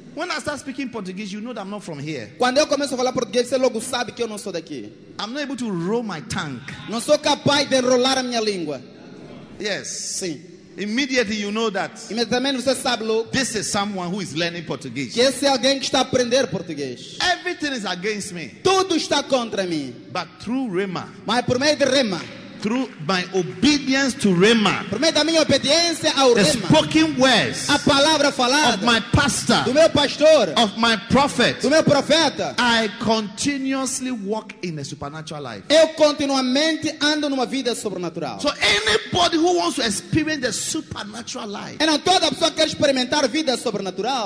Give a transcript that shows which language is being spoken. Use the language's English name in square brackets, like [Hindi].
[English] When I start speaking Portuguese, you know that I'm not from here. [Portuguese] Quando eu começo a falar português, você logo sabe que eu não sou daqui. [English] I'm not able to roll my tongue. [Portuguese] Não sou capaz de enrolar a minha língua. [English] Yes. [Portuguese] Sim. [English] Immediately you know that. [Portuguese] Imediatamente você sabe, Luke, [English] this is someone who is learning Portuguese. [Portuguese] Que esse é alguém que está a aprender português. [English] Everything is against me. [Portuguese] Tudo está contra mim. [English] But through rema. [Portuguese] Mas por meio de rema. [English] Through my obedience to rema. [Portuguese] Por meio da minha obediência ao rema. [English] The spoken words. [Portuguese] A palavra falada. [English] Of my pastor. [Portuguese] Do meu pastor. [English] Of my prophet. [Portuguese] Do meu profeta. [English] I continuously walk in a supernatural life. [Portuguese] Eu continuamente ando numa vida sobrenatural. [English] So anybody who wants to experience the supernatural life. [Portuguese] E toda pessoa que quer experimentar vida sobrenatural.